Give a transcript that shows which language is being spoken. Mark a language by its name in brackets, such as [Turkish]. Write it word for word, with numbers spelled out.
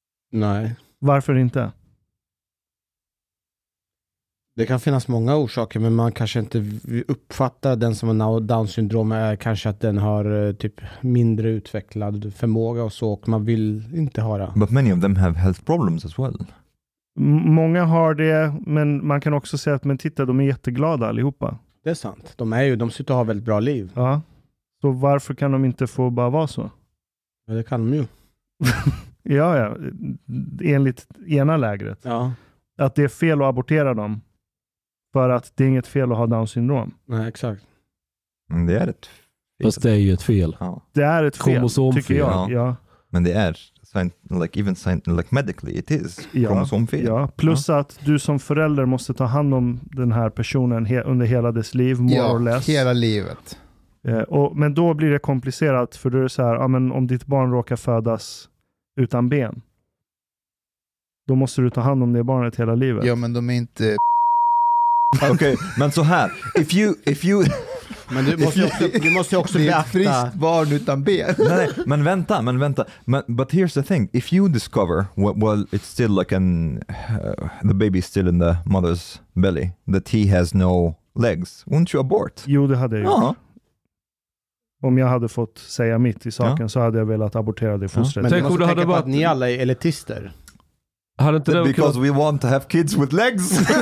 [Swedish] Nej. Varför inte? Det kan finnas många orsaker, men man kanske inte uppfattar den som har Downs syndrom är kanske att den har typ mindre utvecklad förmåga och så, och man vill inte ha det. [English] But many of them have health problems as well. [Swedish] Många har det, men man kan också säga att men titta, de är jätteglada allihopa. Det är sant. De är ju, de sitter och har väldigt bra liv. Ja. Så varför kan de inte få bara vara så? Ja, det kan de ju. ja, ja. Enligt ena lägret. Ja. Att det är fel att abortera dem. För att det är inget fel att ha Downs syndrom. Nej, exakt. Men det är ett fel. Fast det är ju ett fel. Ja. Det är ett fel, tycker jag. Ja. Ja. Men det är, [English] like, even like medically, it is [Swedish] ja. Kromosomfel. Ja. Plus ja. Att du som förälder måste ta hand om den här personen he- under hela dess liv, [English] more [Swedish] ja, [English] or less. [Swedish] Hela livet. Eh, och, men då blir det komplicerat, för då är det så här, ja, men om ditt barn råkar födas utan ben, då måste du ta hand om det barnet hela livet. Ja, men de är inte... Okej, [English] okay, [Swedish] men så här. [English] If you, if you... [Swedish] Men du måste också, du måste också beakta... Det är friskt barn utan ben. nej, nej, men vänta, men vänta. Men, [English] but here's the thing. If you discover, well, well it's still like an... Uh, the baby's still in the mother's belly. That he has no legs. Won't you abort? [Swedish] Jo, det hade jag gjort. Uh-huh. Om jag hade fått säga mitt i saken uh-huh. så hade jag velat abortera det fostret. Uh-huh. Men du måste tänka på varit... att ni alla är elitister. Hade inte det [English] because [Swedish] kunnat... [English] we want to have kids with legs.